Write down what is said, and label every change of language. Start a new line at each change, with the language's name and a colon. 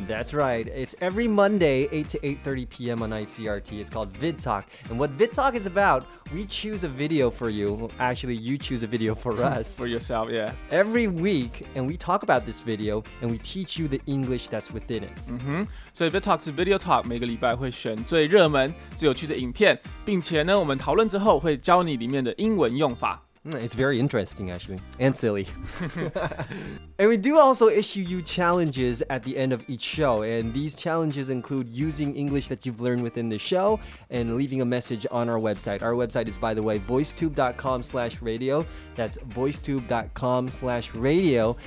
English: That's right. It's every Monday, 8 to 8:30 p.m. on ICRT. It's called VidTalk. And what VidTalk is about, we choose a video for you. Actually, you choose a video for us. For yourself, yeah. Every week, and we talk about this video, and we teach you the English that's within it. Mm-hmm. So VidTalk is video talk.
Chinese: 每个礼拜会选最热门、最有趣的影片，并且呢，我们讨论之后会教你里面的英文用法。
English: It's very interesting, actually, and silly. And we do also issue you challenges at the end of each show, and these challenges include using English that you've learned within the show and leaving a message on our website. Our website is, by the way, voicetube.com/radio. That's voicetube.com/radio.